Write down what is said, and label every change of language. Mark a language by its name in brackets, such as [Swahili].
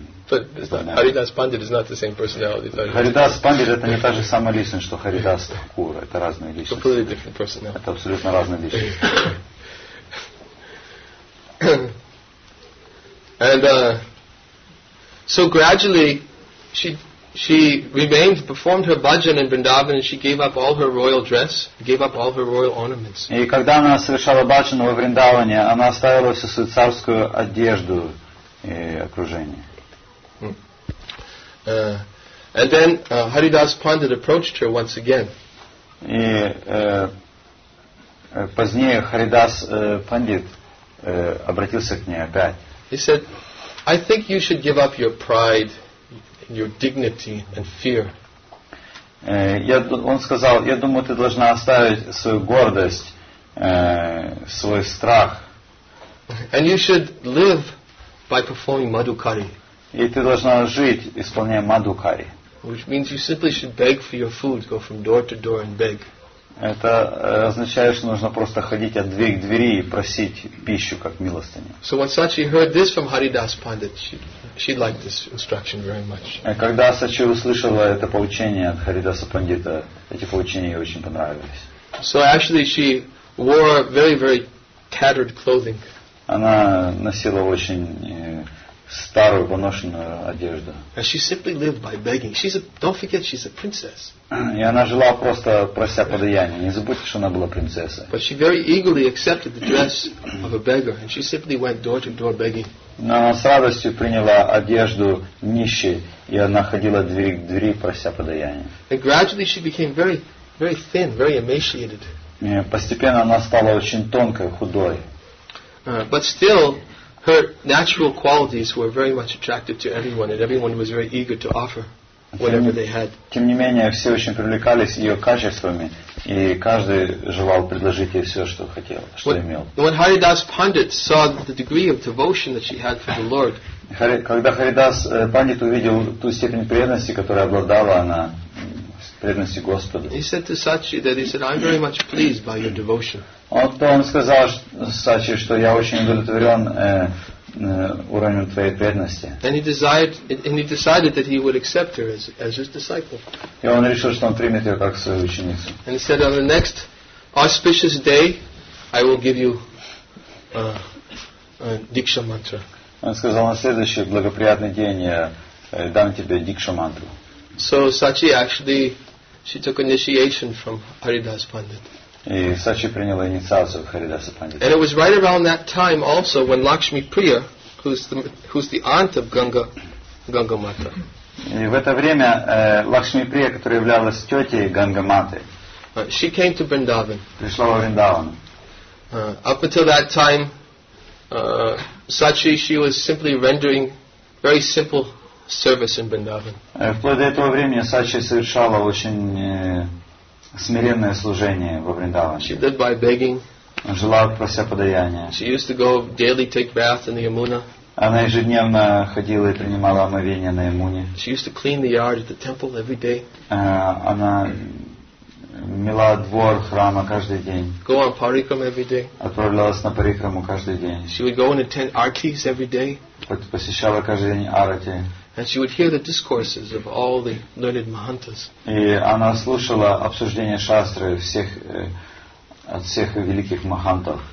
[English] Haridas Pandit is not the same personality. [Russian] Haridas Pandit это не та же самая личность, что Haridas Thakur. Это разные личности. [English] Completely different personality. [Russian] Это абсолютно разные личности. [English] And so gradually she remained, performed her bhajan in Vrindavan, and she gave up all her royal dress, gave up all her royal ornaments. [Russian] И когда она совершала бхаджан во Вриндаване, она оставила всю свою царскую одежду и окружение. [English] And then Haridas Pandit approached her once again. [Russian] И позднее Харидас Пандит обратился к ней опять. [English] He said, "I think you should give up your pride, your dignity, and fear." [Russian] Он сказал, я думаю, ты должна оставить свою гордость, свой страх. [English] And you should live by performing Madhukari. [Russian] И ты должна жить, исполняя мадхукари. [English] Which means you simply should beg for your food, go from door to door and beg. [Russian] Это означает, что нужно просто ходить от двери к двери и просить пищу как милостыню. [English] So when Sachi heard this from Haridas Pandit, she liked this instruction very much. [Russian] Когда Сачи услышала это поучение от Харидаса Пандита, эти поучения ей очень понравились. [English] So actually she wore very very tattered clothing. [Russian] Она носила очень старую поношенную одежду. [English] And she simply lived by begging. She's a, don't forget, she's a princess. [Russian] И она жила просто прося подаяния. Не забудьте, что она была принцессой. [English] But she very eagerly accepted the dress of a beggar, and she simply went door to door begging. [Russian] Но она с радостью приняла одежду нищей, и она ходила двери к двери прося подаяния. [English] And gradually she became very, very thin, very emaciated. [Russian] И постепенно она стала очень тонкой, худой. [English] But still, her natural qualities were very much attractive to everyone, and everyone was very eager to offer whatever they had. [Russian] Тем не менее, все очень привлекались ее качествами, и каждый желал предложить ей все, что хотел, что имел. [English] When Haridas Pandit saw the degree of devotion that she had for the Lord, [Russian] когда Харидас Пандит увидел ту степень преданности, которой обладала она, преданности Господу, [English] he said to Sachi that he said, "I'm very much pleased by your devotion." [Russian] Он сказал Сачи, что я очень удовлетворен уровнем твоей преданности. [English] And he decided that he would accept her as his disciple. [Russian] И он решил, что он примет ее как свою ученицу. [English] And he said, on the next auspicious day, I will give you Diksha mantra. [Russian] Он сказал, на следующий благоприятный день я дам тебе Дикшу мантру. [English] So Sachi actually, she took initiation from Haridas Pandit. [Russian] И Сачи приняла инициацию в Харидаса Пандита. [English] And it was right around that time also when Lakshmi Priya, who's the aunt of Ganga Mata. [Russian] И в это время Лакшми Прия, которая являлась тетей Ганга Маты, [English] she came to Vrindavan. [Russian] Пришла во Вриндаван. [English] Up until that time, Sachi, she was simply rendering very simple service in Vrindavan. [Russian] Вплоть до этого времени Сачи совершала очень смиренное служение во Вриндаване. [English] She did by begging. [Russian] Жила, прося подаяния. [English] She used to go daily take bath in the Yamuna. [Russian] Она ежедневно ходила и принимала омовение на Ямуне. [English] She used to clean the yard at the temple every day. [Russian] Она мила двор храма каждый день. [English] Go on parikram every day. [Russian] Отправлялась на парикраму каждый день. [English] She would go and attend arties every day. [Russian] Посещала каждый день арати. [English] And she would hear the discourses of all the learned mahantas. [Russian] И она слушала обсуждения шастры всех от всех великих махантов.